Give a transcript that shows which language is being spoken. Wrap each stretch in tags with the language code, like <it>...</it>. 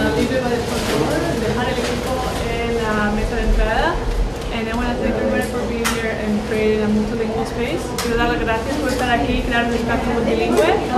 <es>Dejar el equipo en la mesa de entrada.</es> <en>And I want to thank everybody for being here and creating a multilingual space.</en> <es>Quiero dar las gracias por estar aquí y crear un espacio multilingüe.</es>